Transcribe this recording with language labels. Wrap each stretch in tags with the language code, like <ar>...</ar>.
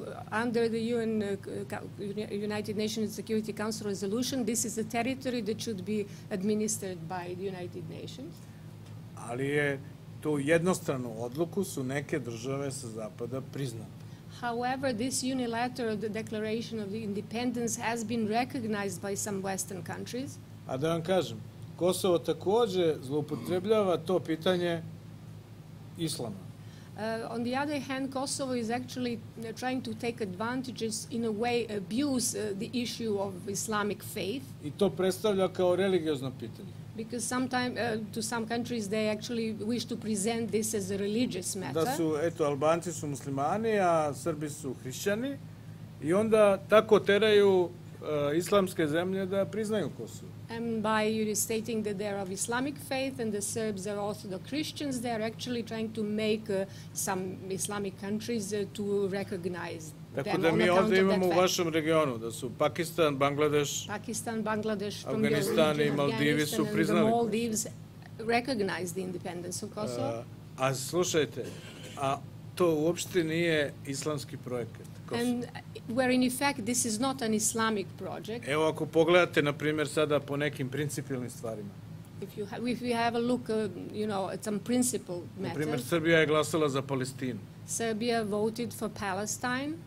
<en>Under the UN United Nations Security Council resolution, this is a territory that should be administered by the United Nations.</en> <sr>Ali je tu jednostranu odluku su neke države sa zapada priznale.</sr> <en>However, this unilateral declaration of the independence has been recognized by some Western countries.</en> <sr>A da vam kažem, Kosovo takođe zloupotrebljava to pitanje islama.</sr> <en>On the other hand, Kosovo is actually trying to take advantages, in a way, abuse the issue of Islamic faith.</en> <sr>I to predstavlja kao religiozno pitanje.</sr> <en>because sometimes to some countries they actually wish to present this as a religious matter.</en> <sr>Da su eto Albanci su muslimani, a Srbi su hrišćani, i onda tako teraju islamske zemlje da priznaju Kosovo.</sr> <en>And by stating that they are of Islamic faith and the Serbs are also the Christians, they are actually trying to make some Islamic countries to recognize them.</en> <sr>Tako da mi ovdje imamo u vašem regionu da su Pakistan, Bangladeš, Afganistan i Maldivi su priznali.</sr> <en>Maldives recognize the independence of Kosovo.</en> <sr>A slušajte, a to uopšte nije islamski projekat.</sr> <en>And where in effect this is not an Islamic project.</en> <sr>Evo ako pogledate na primjer sada po nekim principijelnim stvarima.</sr> <en>If we have a look you know at some principle matter.</en> <sr>Na primjer Srbija je glasala za Palestinu.</sr> <en>Serbia voted for Palestine.</en>